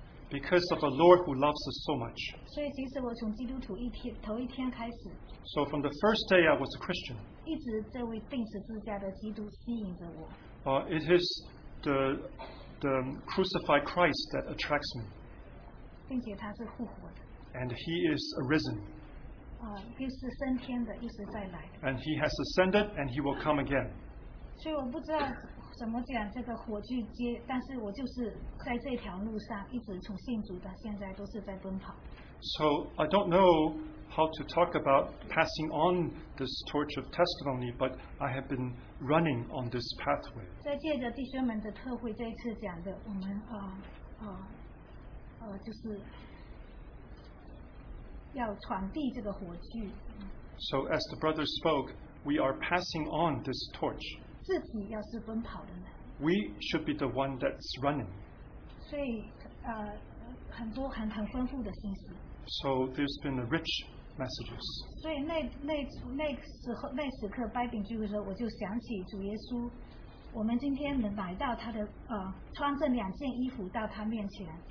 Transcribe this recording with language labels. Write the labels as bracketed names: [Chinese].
[English] Because of a Lord who loves us so much. So from the first day I was a Christian, it is the crucified Christ that attracts me. [Chinese] 并且他是复活的。 [English] And he is arisen. [Chinese] 又是升天的，又是再来的。 [English] And he has ascended, and he will come again. [Chinese] 所以我不知道怎么讲这个火炬街，但是我就是在这条路上，一直从信主到现在都是在奔跑。 [English] So I don't know how to talk about passing on this torch of testimony, but I have been running on this pathway. [Chinese] 在借着弟兄们的特会这一次讲的，我们就是要传递这个火炬。 [English] So as the brother spoke, we are passing on this torch. [Chinese] 自己要是奔跑的呢？ [English] We should be the one that's running. [Chinese] 所以很多很丰富的信息。 [English] So there's been a rich messages. [Chinese] 所以那时刻掰饼聚会的时候，我就想起主耶稣，我们今天能来到他的穿着两件衣服到他面前。